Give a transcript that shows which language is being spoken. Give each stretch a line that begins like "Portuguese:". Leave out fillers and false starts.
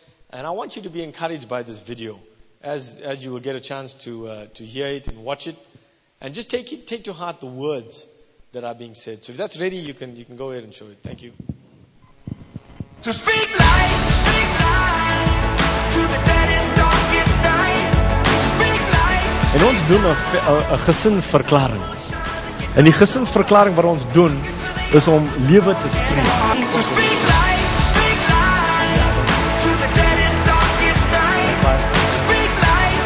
English: And I want you to be encouraged by this video as you will get a chance to hear it and watch it. And just take to heart the words that are being said. So if that's ready, you can go ahead and show it. Thank you. So speak life, speak life to the deadest, darkest night. Speak life.
Afrikaans: En ons doen 'n gesinsverklaring. En die gesinsverklaring wat ons doen is om lewe te spreek.
English: So speak life, speak life to the deadest, darkest night.